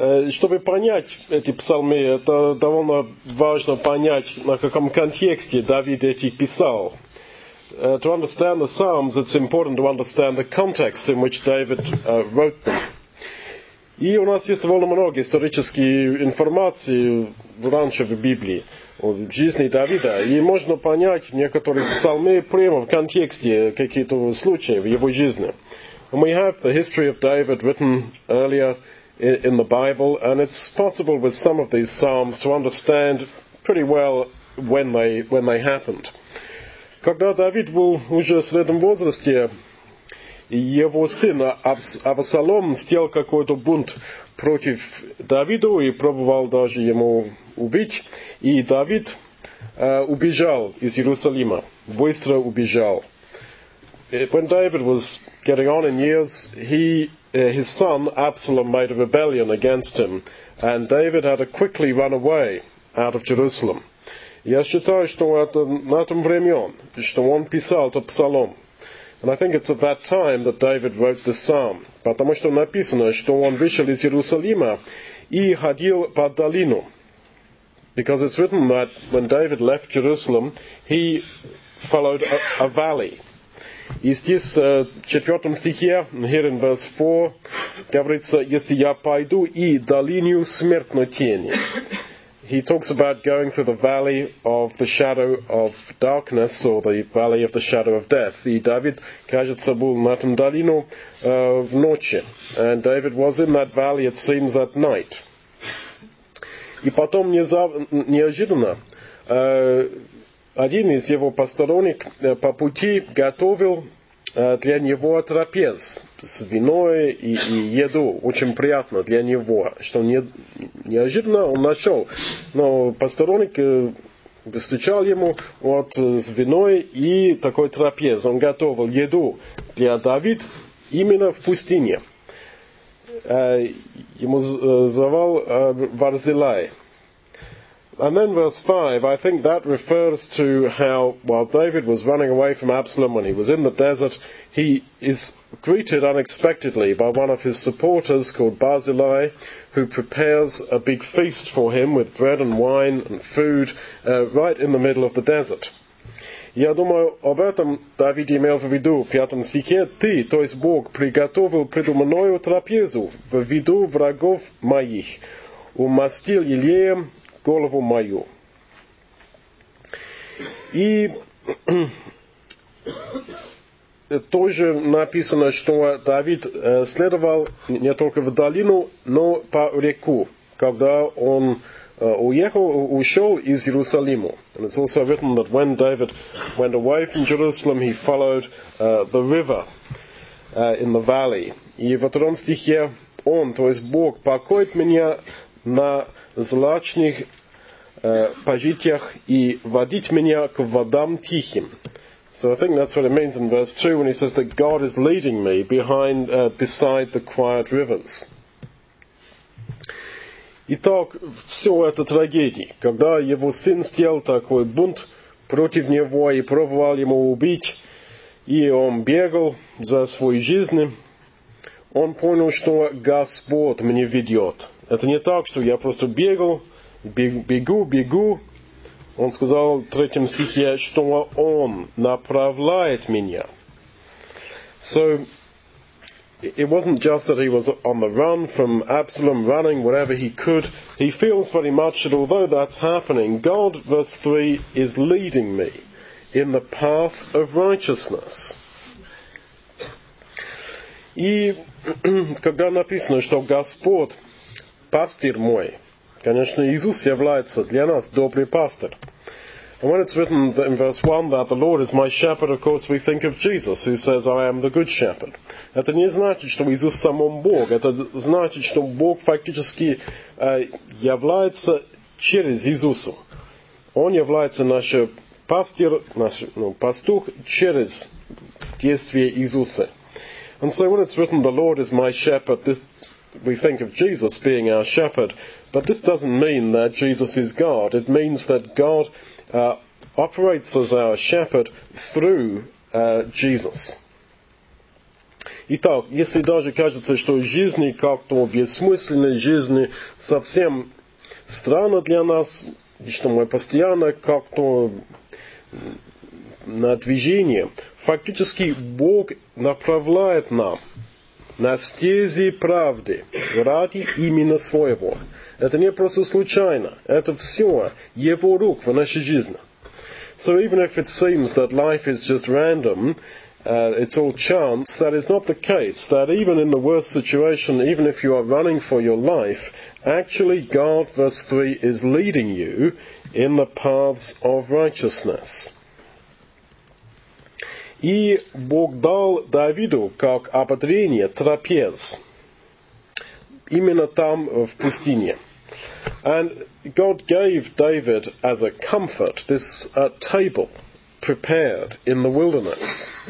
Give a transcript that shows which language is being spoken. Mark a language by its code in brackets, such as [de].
[ru] Чтобы понять эти псалмы, это довольно важно понять, на каком контексте Давид этих писал. [en] To understand the Psalms, it's important to understand the context in which David wrote them. [ru] И у нас есть довольно много исторической информации раньше в Библии о жизни Давида. И можно понять некоторые псалмы прямо в контексте каких-то случаев в его жизни. [en] And we have the history of David written earlier in the Bible, and it's possible with some of these psalms to understand pretty well when they happened. [ru] Когда Давид был уже в среднем возрасте, его сын Авессалом сделал какой-то бунт против Давида и пробовал даже ему убить. И Давид убежал из Иерусалима, быстро убежал. [en] When David was getting on in years, his son Absalom made a rebellion against him, and David had to quickly run away out of Jerusalem. [ru] Я считаю, что это на том времен, что он писал этот псалом. [en] And I think it's at that time that David wrote this psalm. [ru] Потому что написано, что он вышел из Иерусалима и ходил по долину. [en] Because it's written that when David left Jerusalem, he followed a valley. [ru] И здесь, в четвертом стихе, [en] here in verse 4, [ru] говорится, если я пойду и долину смертной тени. [en] He talks about going through the valley of the shadow of darkness, or the valley of the shadow of death. [ru] И Давид, кажется, был на этом долину в ночи. [en] And David was in that valley, it seems, at night. [ru] И потом неожиданно один из его посторонних по пути готовил для него трапез с виной и еду. Очень приятно для него, что неожиданно он нашел. Но посторонник встречал ему вот с виной и такой трапез. Он готовил еду для Давид именно в пустыне. Ему звал Варзилай. [en] And then verse 5, I think that refers to how while David was running away from Absalom when he was in the desert, he is greeted unexpectedly by one of his supporters called Barzillai, who prepares a big feast for him with bread and wine and food right in the middle of the desert. [ru] Я думаю, об этом Давид имел в виду в пятом стихе. Ты, то есть Бог, приготовил предо мною трапезу в виду врагов моих, умастил елеем голову мою. И тоже написано, что Давид следовал не только в долину, но по реку, когда он ушел из Иерусалима. [en] And it's also written that when David went away from Jerusalem, he followed the river in the valley. [ru] И в втором стихе он, то есть Бог, покоит меня на злачных пожитиях и водить меня к водам тихим. [en] So I think that's what it means in verse 2 when he says that God is leading me behind beside the quiet rivers. [ru] Итак, все это трагедия. Когда его сын сделал такой бунт против него и пробовал ему убить, и он бегал за свою жизнь, он понял, что Господь меня ведет. Это не так, что я просто бегал, Бегу. Он сказал в третьем стихе, что он направляет меня. [en] So, it wasn't just that he was on the run from Absalom, running wherever he could. He feels very much that although that's happening, God, verse 3, is leading me in the path of righteousness. [ru] И когда написано, что Господь, пастырь мой, конечно, Иисус является для нас добрый пастырь. [en] And when it's written in verse 1 that the Lord is my shepherd, of course we think of Jesus, who says, I am the good shepherd. [ru] Это не значит, что Иисус сам Бог. Это значит, что Бог фактически является через Иисуса. Он является наш пастырь, наш пастух через действие Иисуса. [en] And so when it's written, the Lord is my shepherd, this, we think of Jesus being our shepherd. But this doesn't mean that Jesus is God. It means that God operates as our shepherd through Jesus. [ru] Итак, если даже кажется, что жизнь как-то бессмысленна, жизнь совсем странна для нас, что мы постоянно как-то на движении, фактически Бог направляет нам на стези правды ради имени Своего. Это не просто случайно. Это все Его рук в нашей жизни. [en] So even if it seems that life is just random, it's all chance, that is not the case. That even in the worst situation, even if you are running for your life, actually God, verse 3, is leading you in the paths of righteousness. [ru] И Бог дал Давиду как ободрение трапез именно там в пустыне. [en] And God gave David as a comfort this table prepared in the wilderness.